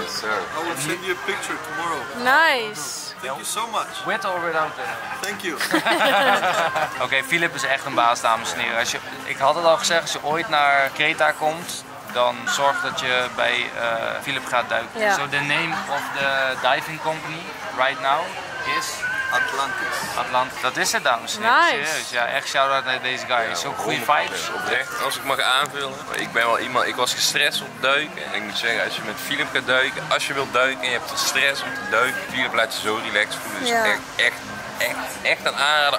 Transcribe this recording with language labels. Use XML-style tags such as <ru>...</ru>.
<en>Yes, sir. I will send you a picture tomorrow. Nice. Thank you so much. With or without the... Thank you.</en> <nl>Oké, Philip is echt een baas, dames en heren. Ik had het al gezegd, als je ooit naar Kreta komt, dan zorg dat je bij Philip gaat duiken.</nl> <en>Yeah. So the name of the diving company right now is? Atlantis.</en> <nl>Atlantis, dat is het, dames en heren. Nice. Serieus, ja, echt shout-out naar deze guy. Ja, zo'n goede vibes. Oprecht, als ik mag aanvullen. Ik ben wel iemand, ik was gestrest om te duiken. En ik moet zeggen, als je met Filip gaat duiken, als je wilt duiken en je hebt stress om te duiken, Filip laat je zo relaxed voelen. Dus ja. Echt een aanrader.</nl>